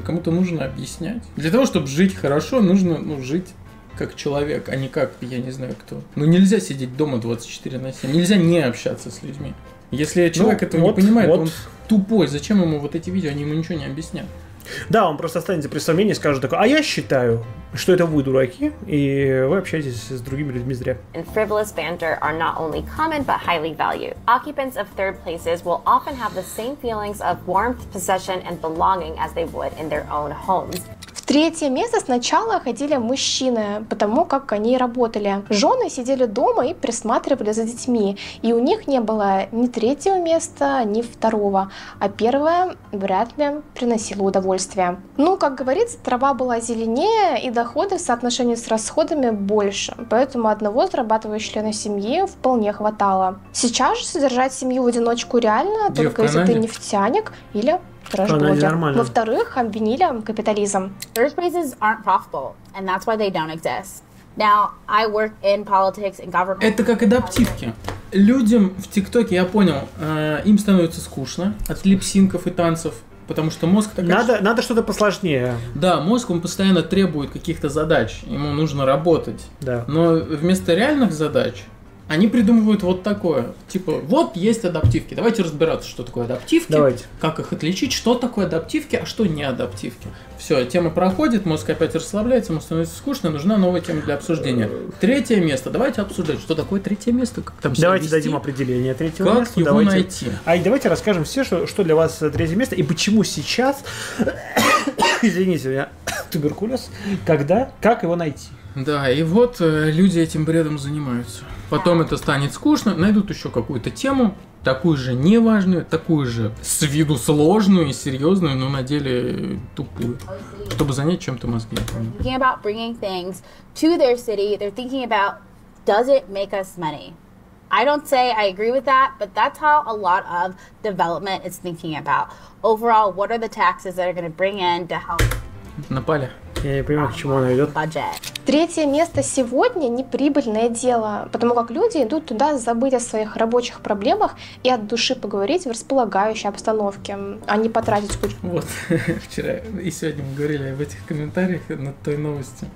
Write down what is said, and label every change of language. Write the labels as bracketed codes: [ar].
[ru] Кому-то нужно объяснять. Для того, чтобы жить хорошо, нужно, ну, жить как человек, а не как, я не знаю, кто. Ну, нельзя сидеть дома 24/7, нельзя не общаться с людьми. Если человек этого не понимает, он тупой. Зачем ему вот эти видео, они ему ничего не объяснят. Да, он просто останется при своем мнении и скажет такое: а я считаю, что это вы дураки, и вы общаетесь с другими людьми зря. [en] And frivolous banter are not only common, but highly valued. Occupants of third places will often have the same feelings of warmth, possession, and belonging as they would in their own homes. [ru] Третье место сначала ходили мужчины, потому как они работали. Жены сидели дома и присматривали за детьми, и у них не было ни третьего места, ни второго, а первое вряд ли приносило удовольствие. Ну, как говорится, трава была зеленее, и доходы в соотношении с расходами больше, поэтому одного зарабатывающего члена семьи вполне хватало. Сейчас же содержать семью в одиночку реально, только если ты нефтяник или... Во-вторых, обвинили капитализм. [en] Third places aren't profitable, and that's why they don't exist. Now, I work in politics and government. [ru] Это как адаптивки. Людям в ТикТоке, я понял, им становится скучно от липсинков и танцев, потому что мозг... Такая... Надо что-то посложнее. Да, мозг, он постоянно требует каких-то задач, ему нужно работать. Да. Но вместо реальных задач... Они придумывают вот такое, типа, вот есть адаптивки, давайте разбираться, что такое адаптивки, давайте. Как их отличить, что такое адаптивки, а что не адаптивки. Все, тема проходит, мозг опять расслабляется, ему становится скучно, нужна новая тема для обсуждения. Третье место, давайте обсуждать, что такое третье место, как там себя давайте вести. Давайте дадим определение третьего места. Как место? Его давайте... найти. А давайте расскажем все, что для вас третье место и почему сейчас, извините, у меня туберкулез, когда, как его найти. Да, и вот люди этим бредом занимаются. Потом это станет скучно, найдут еще какую-то тему, такую же неважную, такую же с виду сложную и серьезную, но на деле тупую, чтобы занять чем-то мозги. [en] Thinking about bringing things to their city, they're thinking about, does it make us money? I don't say I agree with that, but that's how a lot of development is thinking about. Overall, what are the taxes that are going to bring in to help? [ru] Напали. Я не понимаю, к чему она идет. Третье место сегодня неприбыльное дело, потому как люди идут туда забыть о своих рабочих проблемах и от души поговорить в располагающей обстановке, а не потратить кучу... Вот, вчера и сегодня мы говорили об этих комментариях над той новостью.